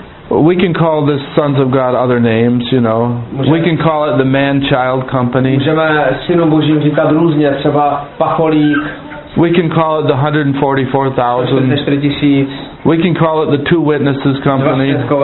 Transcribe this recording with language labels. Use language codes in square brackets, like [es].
[en] We can call this sons of God other names, you know. We can call it the man-child company. [cs] Můžeme synu Božím říkat různě, třeba pacholík. [en] We can call it the 144,000. We can call it the two witnesses company.